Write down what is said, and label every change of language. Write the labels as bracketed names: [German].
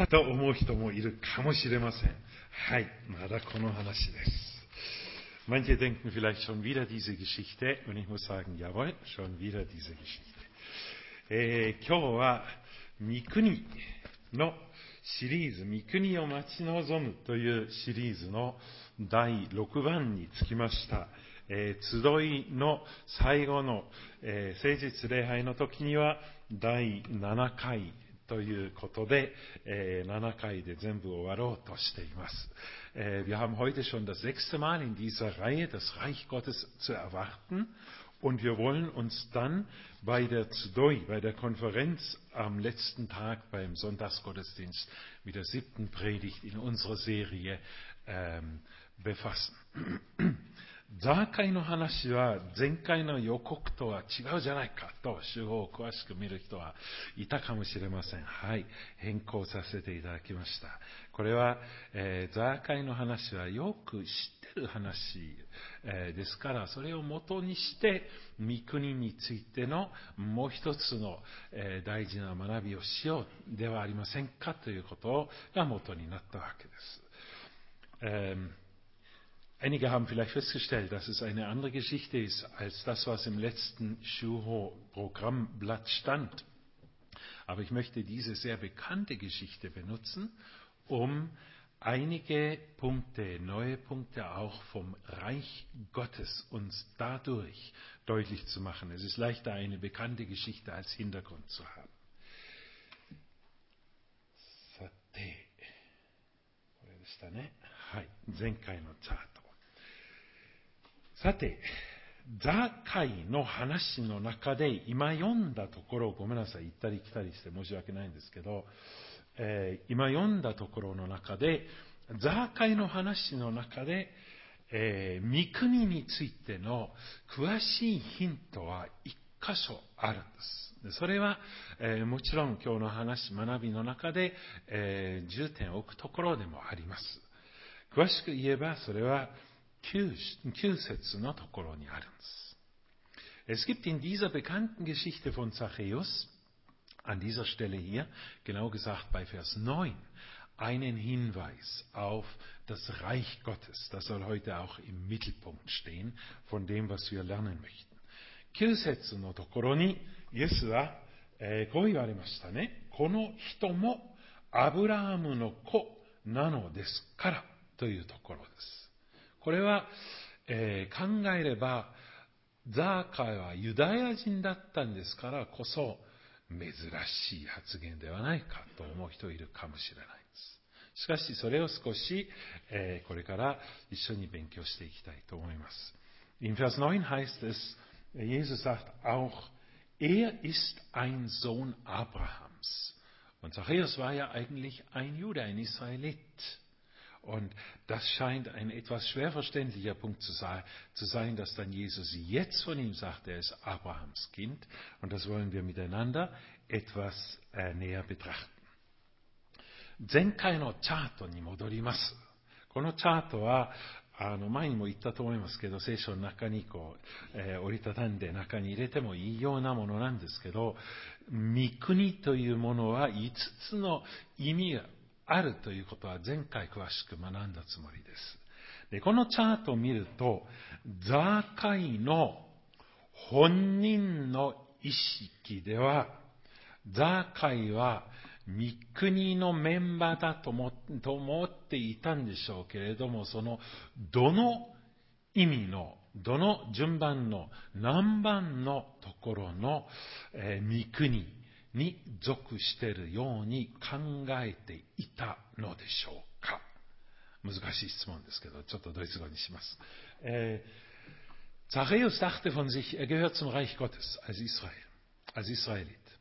[Japanese] と思う人もいるかもしれません。はい、まだこの話です。 [German] Manche denken vielleicht schon wieder diese Geschichte, und ich muss sagen, jawohl, schon wieder diese Geschichte. [Japanese] 今日は、御国のシリーズ、御国を待ち望むというシリーズの第6番につきました。集いの最後の、聖日礼拝の時には第7回ということで、7回で全部終わろうとしています。 Wir haben heute schon das sechste Mal in dieser Reihe das Reich Gottes zu erwarten und wir wollen uns dann bei der Zdoi, bei der Konferenz am letzten Tag beim Sonntagsgottesdienst mit der siebten Predigt in unserer Serie befassen. ザーカイの話は前回の予告とは違うじゃないかと集合を詳しく見る人はいたかもしれません。はい、変更させていただきました。これは、ザーカイの話はよく知ってる話、ですから、それを元にして御国についてのもう一つの、大事な学びをしようではありませんかということが元になったわけです。 [German] Einige haben vielleicht festgestellt, dass es eine andere Geschichte ist als das, was im letzten Shuho-Programmblatt stand. Aber ich möchte diese sehr bekannte Geschichte benutzen, um einige Punkte, neue Punkte auch vom Reich Gottes uns dadurch deutlich zu machen. Es ist leichter, eine bekannte Geschichte als Hintergrund zu haben. Sate. Wo ist da, ne? Hi. Senkai no Tat. [Japanese] さて、ザーカイの話の中で今読んだところをごめんなさい、行ったり来たりして申し訳ないんですけど、今読んだところの中で、ザーカイの話の中で、御国についての詳しいヒントは一箇所あるんです。それは、もちろん今日の話、学びの中で、重点を置くところでもあります。詳しく言えばそれは、 [German] Es gibt in dieser bekannten Geschichte von Zachäus, an dieser Stelle hier, genau gesagt bei Vers 9, einen Hinweis auf das Reich Gottes. Das soll heute auch im Mittelpunkt stehen von dem, was wir lernen möchten. [Japanese] 9節のところに、イエスは、こう言われましたね。この人もアブラハムの子なのですからというところです。これは、考えればザーカイはユダヤ人だったんですからこそ珍しい発言ではないかと思う人いるかもしれないです。しかしそれを少し、これから一緒に勉強していきたいと思います。 [German] In Vers 9 heißt es, Jesus sagt auch, er ist ein Sohn Abrahams. Und Zachäus war ja eigentlich ein Jude, ein Israelit. Und das scheint ein etwas schwer verständlicher Punkt zu sein, dass dann Jesus jetzt von ihm sagt, er ist Abrahams Kind. Und das wollen wir miteinander etwas näher betrachten. [Japanese] 前回のチャートに戻ります。このチャートは、前にも言ったと思いますけど、聖書の中にこう、折りたたんで中に入れてもいいようなものなんですけど、御国というものは5つの意味が、あるということは前回詳しく学んだつもりです。で、このチャートを見ると、ザーカイの本人の意識では、ザーカイは御国のメンバーだと思っていたんでしょうけれども、その、どの意味の、どの順番の、何番のところの、御国、に属しているように考えていたのでしょうか。難しい質問ですけど、ちょっとドイツ語にします。 [German] Zachäus dachte von sich, er gehört zum Reich Gottes als Israel, als Israelit.